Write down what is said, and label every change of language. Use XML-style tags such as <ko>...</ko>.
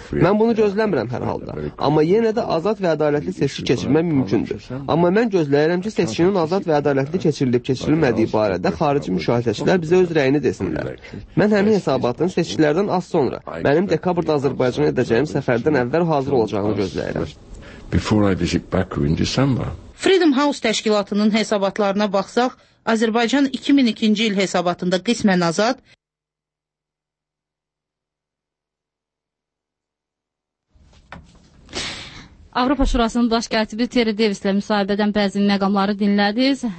<az>Mən bunu gözləmirəm hər halda. Amma yenə də azad və ədalətli seçki keçirmək mümkündür. Amma mən gözləyirəm ki, seçkinin azad və ədalətli keçirilib-keçirilmədiyi barədə xarici müşahidəçilər bizə öz rəyini desinlər. Mən həmin hesabatın seçkilərdən az sonra, mənim dekabrda Azərbaycana edəcəyim səfərdən əvvəl hazır olacağını gözləyirəm.</az> <en>Before I visit Baku in December.</en> <az>Freedom House təşkilatının hesabatlarına baxsaq, Azərbaycan 2002-ci il hesabatında qismən azad, Avropa Şurasının baş katibi Terry Davis ilə müsahibədən bəzi məqamları dinlədiniz.</az>